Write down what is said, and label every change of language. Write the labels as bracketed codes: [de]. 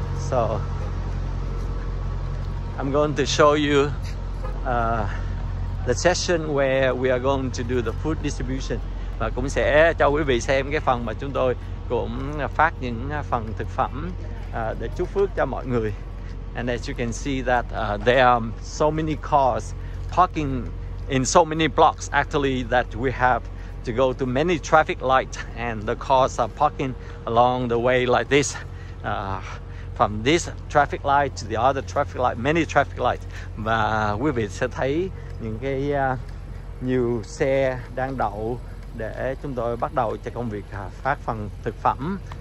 [en] So I'm going to show you the session where we are going to do the food distribution. [vi] Và cũng sẽ cho quý vị xem cái phần mà chúng tôi cũng phát những phần thực phẩm để chúc phước cho mọi người. [en] And as you can see that there are so many cars parking in so many blocks actually that we have to go to many traffic lights and the cars are parking along the way like this. From this traffic light to the other traffic light, many traffic lights. [vi] Và quý vị sẽ thấy những cái nhiều xe đang đậu để chúng tôi bắt đầu cho công việc phát phần thực phẩm.